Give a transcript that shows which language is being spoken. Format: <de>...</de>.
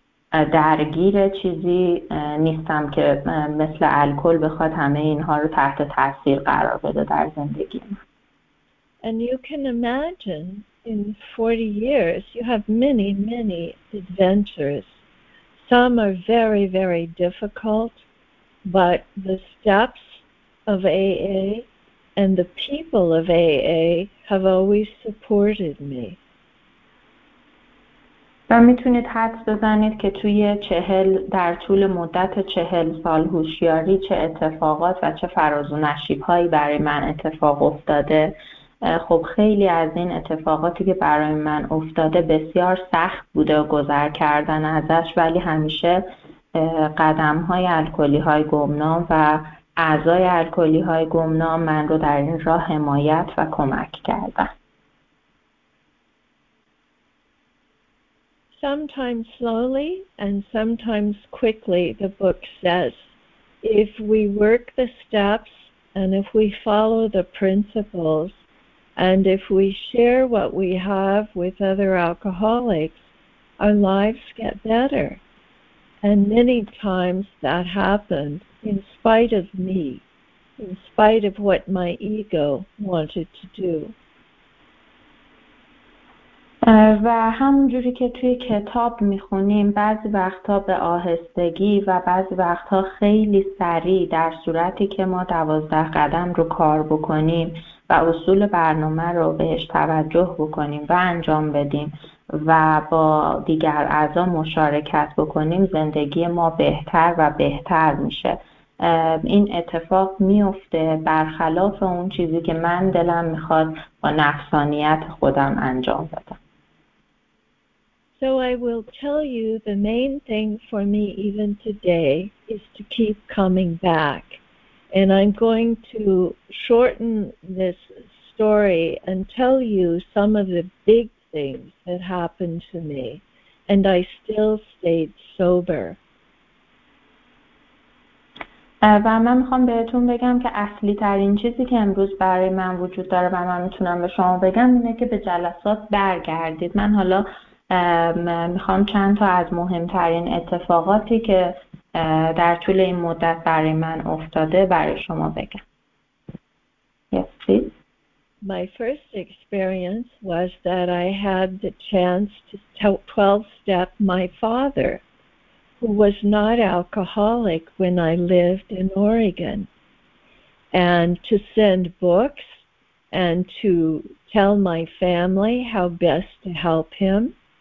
<fa>درگیر چیزی نیستم که مثل الکل بخواد همه اینها رو تحت تاثیر قرار بده در زندگی من.</fa> <en>And you can imagine in 40 years you have many, many adventures. Some are very, very difficult, but the steps of AA and the people of AA have always supported me.</en> <fa>و میتونید حدس بزنید که توی چهل در طول مدت 40 سال هوشیاری چه اتفاقات و چه فراز و نشیب‌هایی برای من اتفاق افتاده. خب خیلی از این اتفاقاتی که برای من افتاده بسیار سخت بوده و گذر کردن ازش، ولی همیشه قدم های الکلی های گمنام و اعضای الکلی های گمنام من رو در این راه حمایت و کمک کردن.</fa> <en>Sometimes slowly and sometimes quickly, the book says, if we work the steps and if we follow the principles, and if we share what we have with other alcoholics, our lives get better. And many times that happened in spite of me, in spite of what my ego wanted to do.</en> <fa>و همونجوری که توی کتاب میخونیم، بعضی وقتا به آهستگی و بعضی وقتا خیلی سریع، در صورتی که ما 12 قدم رو کار بکنیم و اصول برنامه رو بهش توجه بکنیم و انجام بدیم و با دیگر اعضا مشارکت بکنیم، زندگی ما بهتر و بهتر میشه. این اتفاق میفته برخلاف اون چیزی که من دلم میخواد با نفسانیت خودم انجام بدم.</fa> <en>So I will tell you the main thing for me even today is to keep coming back. And I'm going to shorten this story and tell you some of the big things that happened to me. And I still stayed sober.</en> <fa>و من میخوام بهتون بگم که اصلی ترین چیزی که امروز برای من وجود داره و من میتونم به شما بگم اینه که به جلسات برگردید. من حالا میخوام چند تا از مهمترین اتفاقاتی که در طول این مدت برای من افتاده برای شما بگم.</fa> <en>Yes, please. My first experience was that I had the chance to 12-step my father, who was not alcoholic when I lived in Oregon, and to send books and to tell my family how best to help him.</en>